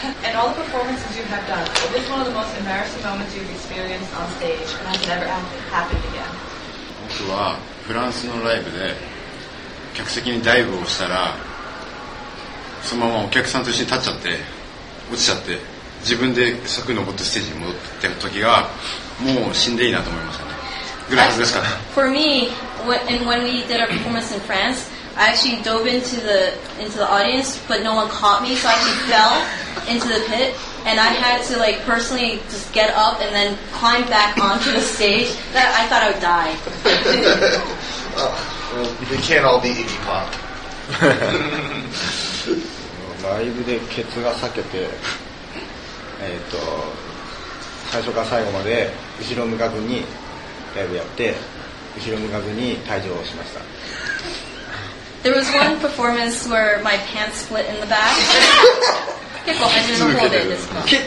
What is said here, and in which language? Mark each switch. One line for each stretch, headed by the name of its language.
English: And all the performances you have done, is this one of the most embarrassing moments you've experienced on stage and has never happened again?
Japanese: 僕はフランスのライブで客席にダイブをしたらそのままお客さんと一緒に立っちゃって落ちちゃって自分で柵に登ってステージに戻ってる時がもう死んでいいなと思いましたね。
English: For me, when we did our performance in France, I actually dove into the audience, but no one caught me, so I actually fell into the pit, and I had to like personally just get up and then climb back onto the stage. That I thought I would die. We can't all be Iggy Pop.
Japanese: Live でケツが裂けて、最初から最後まで後ろ向かずに。
English: There was one performance where my pants split in the back.
Japanese: 結構初めの方でですか？